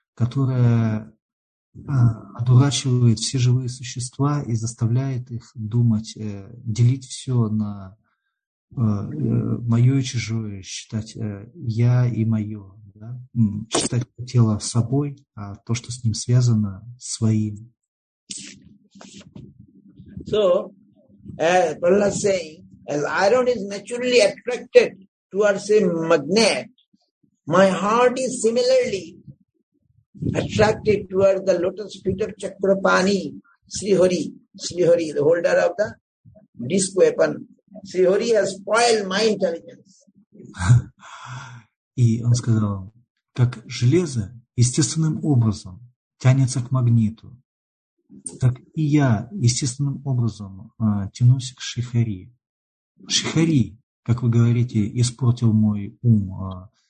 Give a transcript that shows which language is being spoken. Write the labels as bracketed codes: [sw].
[ru] которая одурачивает все живые существа и заставляет их думать, делить все на мое и чужое, считать я и мое, да? Считать тело собой, а то, что с ним связано, своим. [en] So, Prahlada is saying, as iron is naturally attracted towards a magnet, my heart is similarly attracted towards the lotus feet of Chakrapani, Srihari, the holder of the disc weapon. Srihari has spoiled my intelligence. [ru] И он сказал, как железо естественным образом тянется к магниту, так и я естественным образом тянусь к Шихари. Шихари, как вы говорите, испортил мой ум.